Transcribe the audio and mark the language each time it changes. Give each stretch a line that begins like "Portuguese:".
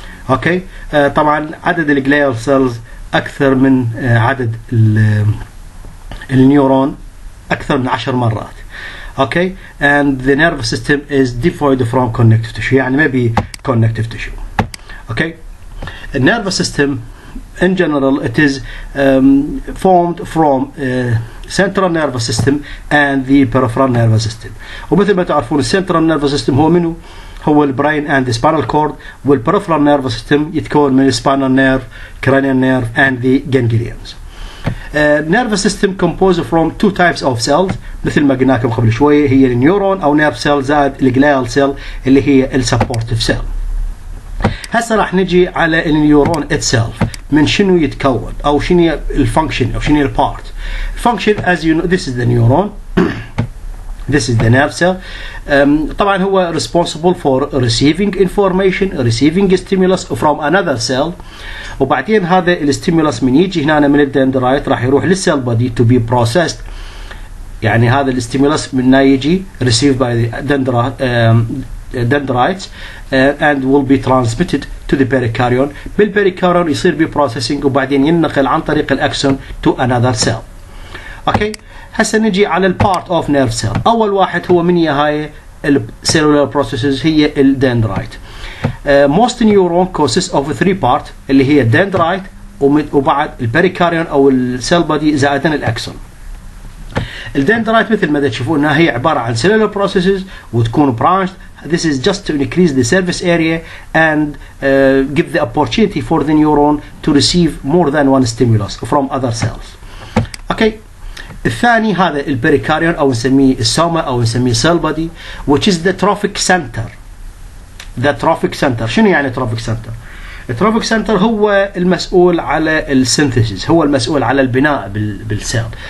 Arabic: Okay, طبعا عدد الglial cells أكثر من عدد النيورون أكثر من 10 مرات.
English: Okay, and the nervous system is devoid from connective tissue, يعني maybe connective tissue. Okay, the nervous system in general it is formed from central nervous system and the peripheral nervous system.
Arabic: ومثل ما تعرفون
English: central nervous system
Arabic: هو منه؟ هو البراين
English: and the spinal cord. والperipheral nervous system
Arabic: يتكون من
English: spinal nerve, cranial nerve and the ganglions. Nervous system composed from two types of cells
Arabic: مثل ما قلناكم قبل شوية, هي النيورون أو
English: nerve cell زاد الglial cell اللي هي السupportive cell.
Arabic: هسا راح نجي على النيورون itself, من شنو يتكون أو شنو هي الفانكشن أو شنو هي البارت.
English: Function, as you know, this is the neuron. This is the nerve cell.
Arabic: طبعا هو
English: responsible for receiving information, receiving stimulus from another cell.
Arabic: وبعدين هذا الستيمولس من يجي هنا من الدندرايت راح يروح للسيل بودي
English: to be processed.
Arabic: يعني هذا الستيمولس من يجي
English: received by the dendrites and will be transmitted to the pericardium.
Arabic: بالبيريكاريون يصير be processing وبعدين ينقل عن طريق الأكسون
English: to another cell.
Arabic: Okay, هسا نجي على ال
English: part of nerve cell.
Arabic: أول واحد هو من هاي ال
English: cellular processes
Arabic: هي ال dendrite.
English: Most neuron consists of three part اللي هي dendrite
Arabic: وبعد البيريكاريون أو ال
English: cell body زائدا الأكسون.
Arabic: ال dendrite مثل ما تشوفونها هي عبارة عن
English: cellular processes
Arabic: وتكون branched.
English: This is just to increase the surface area and give the opportunity for the neuron to receive more than one stimulus from other cells. Okay.
Arabic: الثاني هذا البريكاريون أو نسميه السوما أو نسميه cell body,
English: which is the trophic center. The trophic center,
Arabic: شنو يعني trophic center؟ trophic center هو المسؤول على السينثيسيس, هو المسؤول على البناء بالسيل.